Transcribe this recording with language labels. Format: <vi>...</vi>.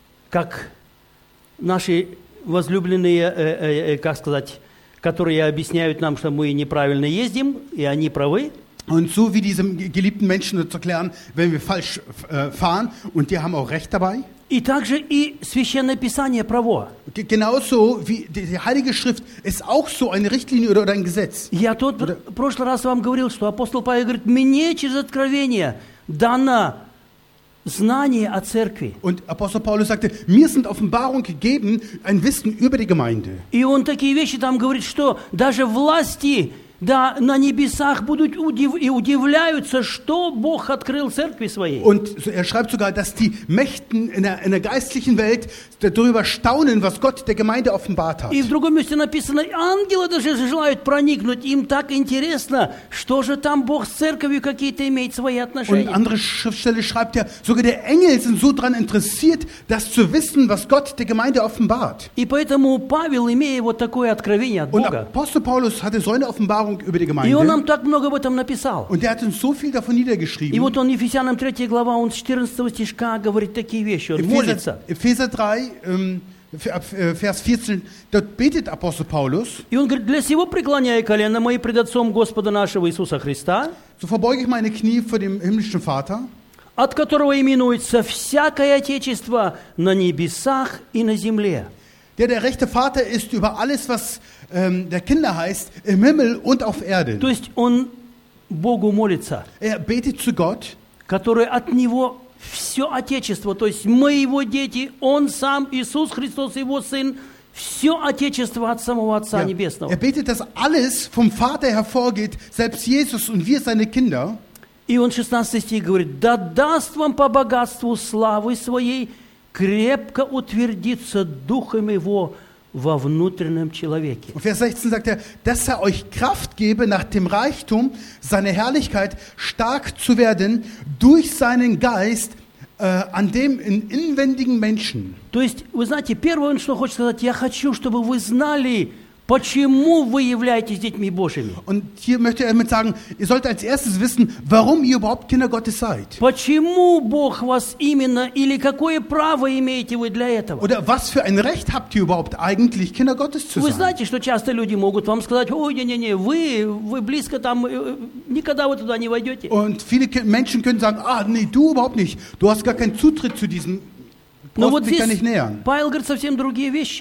<ru>Как наши возлюбленные, как сказать, которые объясняют нам, что мы неправильно ездим, и они правы.</ru> <de>Und so wie diese geliebten Menschen zu erklären, wenn wir falsch fahren, und die haben auch recht dabei.</de> <ru>И также и Священное Писание право.</ru> <de>Genauso wie die Heilige Schrift ist auch so eine Richtlinie oder ein Gesetz.</de> <ru>Я тот в прошлый раз вам говорил, что апостол Павел говорит: мне через откровение дано знание о церкви.</ru> <de>Und Apostel Paulus sagte: mir sind Offenbarung gegeben, ein Wissen über die Gemeinde.</de> <ru>И он такие вещи там говорит, что даже власти, да, на небесах будут и удивляются, что Бог открыл церкви своей.</ru> <de>Und er schreibt sogar, dass die Mächten in der geistlichen Welt darüber staunen, was Gott der Gemeinde offenbart hat.</de> <ru>И в другом месте написано: ангелы даже желают проникнуть, им так интересно, что же там Бог с церковью какие-то имеет свои отношения.</ru> <de>Und andere Schriftstelle schreibt ja, sogar der Engel sind so dran interessiert, das zu wissen, was Gott der Gemeinde offenbart.</de> <ru>И поэтому Павел, имея вот такое откровение от Бога,</ru> <de>und Apostel Paulus hatte so eine Offenbarung über die Gemeinde.</de> <ru>И он нам так много об этом написал.</ru> <de>Und er hat uns so viel davon niedergeschrieben.</de> <ru>И вот он, Ефесянам 3 глава, он с 14 стишка говорит такие вещи, он молится.</ru> <de>Epheser 3, Vers 14, dort betet Apostel Paulus.</de> <ru>И он говорит: для сего преклоняю колено мои пред Отцом Господа нашего Иисуса Христа.</ru> <de>So verbeuge ich meine Knie vor dem himmlischen Vater.</de> <ru>От которого именуется всякое отечество на небесах и на земле.</ru> <de>Der rechte Vater ist über alles, was der Kinder heißt, im Himmel und auf Erde.</de> <ru>То есть он Богу молится.</ru> <de>Er betet zu Gott,</de> <ru>который от него все отечество, то есть мы его дети, он сам, Иисус Христос, его сын, все отечество от самого Отца, ja, Небесного.</ru> <de>Er betet, dass alles vom Vater hervorgeht, selbst Jesus und wir seine Kinder.</de> <ru>И он 16 стих говорит: да даст вам по богатству славы своей к крепко утвердиться духом его во внутреннем человеке.</ru> <de>Und Vers 16 sagt er, dass er euch Kraft gebe nach dem Reichtum seiner Herrlichkeit stark zu werden durch seinen Geist an dem inwendigen Menschen.</de> <ru>То есть, вы знаете, первое, что хочет сказать, я хочу, чтобы вы знали, почему вы являетесь детьми Божьими.</ru> <de>Und hier möchte er mit sagen, ihr solltet als erstes wissen, warum ihr überhaupt Kinder Gottes seid.</de> <ru>Почему Бог вас именно, или какое право имеете вы для этого?</ru> <de>Oder was für ein Recht habt ihr überhaupt eigentlich Kinder Gottes zu sein?</de> <ru>Вы знаете, что часто люди могут вам сказать, ой, не-не-не, вы близко там, никогда вы туда не войдете.</ru> <de>Und viele Menschen können sagen, ah, nee, du überhaupt nicht, du hast gar keinen Zutritt zu diesem.</de> <ru>Но вот здесь Павел говорит совсем другие вещи.</ru>